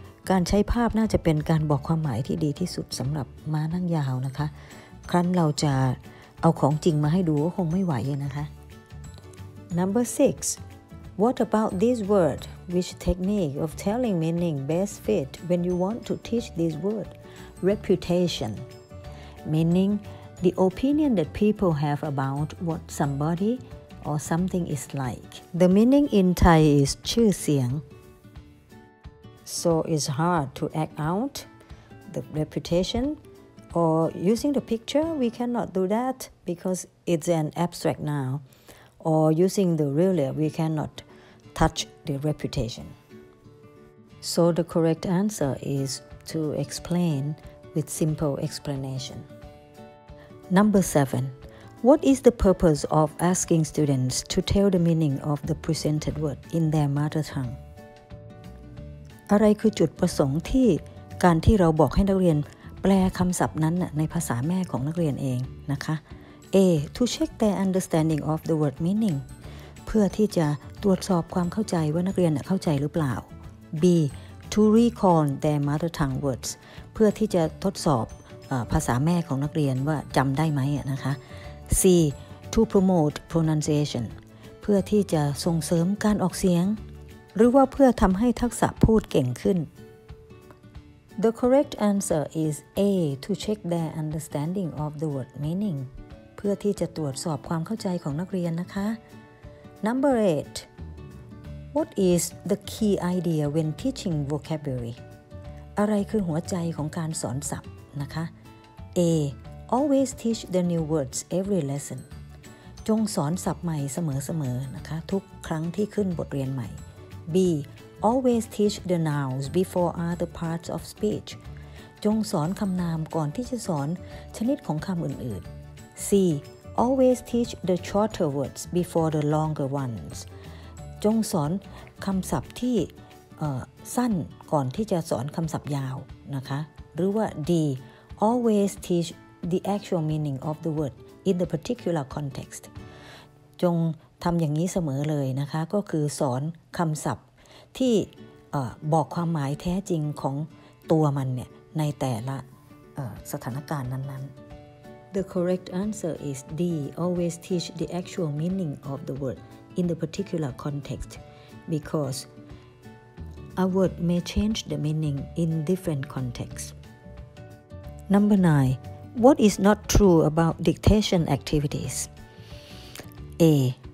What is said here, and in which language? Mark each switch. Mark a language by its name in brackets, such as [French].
[Thai] การใช้ภาพน่าจะเป็นการบอกความหมายที่ดีที่สุดสำหรับม้านั่งยาวนะคะครั้นเราจะเอาของจริงมาให้ดูก็คงไม่ไหวนะคะ [English] Number 6. What about this word? Which technique of telling meaning best fit when you want to teach this word? Reputation. Meaning The opinion that people have about what somebody or something is like. The meaning in Thai is [Thai] ชื่อเสียง. [English] So it's hard to act out the reputation. Or using the picture, we cannot do that because it's an abstract noun. Or using the ruler, we cannot touch the reputation. So the correct answer is to explain with simple explanation. Number 7. What is the purpose of asking students to tell the meaning of the presented word in their mother tongue? [Thai] อะไรคือจุดประสงค์ที่การที่เราบอกให้นักเรียนแปลคำศัพท์นั้นในภาษาแม่ของนักเรียนเองนะคะ [English] A. To check their understanding of the word meaning [Thai] เพื่อที่จะตรวจสอบความเข้าใจว่านักเรียนเข้าใจหรือเปล่า [English] B. To recall their mother tongue words [Thai] เพื่อที่จะทดสอบภาษาแม่ของนักเรียนว่าจำได้ไหมนะคะ C. [English] To promote pronunciation [Thai] เพื่อที่จะส่งเสริมการออกเสียงหรือว่าเพื่อทำให้ทักษะพูดเก่งขึ้น [English] The correct answer is A. To check their understanding of the word meaning. [Thai] เพื่อที่จะตรวจสอบความเข้าใจของนักเรียนนะคะ [English] Number 8. What is the key idea when teaching vocabulary? [Thai] อะไรคือหัวใจของการสอนศัพท์นะคะ A. [English] Always teach the new words every lesson. [Thai] จงสอนศัพท์ใหม่เสมอๆนะคะทุกครั้งที่ขึ้นบทเรียนใหม่ B. [English] Always teach the nouns before other parts of speech. [Thai] จงสอนคำนามก่อนที่จะสอนชนิดของคำอื่นๆ C. [English] Always teach the shorter words before the longer ones. [Thai] จงสอนคำศัพท์ที่สั้นก่อนที่จะสอนคำศัพท์ยาวนะคะหรือว่า D. [English] Always teach the actual meaning of the word in the particular context. [Thai] จงทำอย่างนี้เสมอเลยนะคะก็คือสอนคำศัพท์ที่บอกความหมายแท้จริงของตัวมันเนี่ยในแต่ละสถานการณ์นั้นๆ [English] The correct answer is D. Always teach the actual meaning of the word in the particular context because a word may change the meaning in different contexts. Number 9. What is not true about dictation activities? A.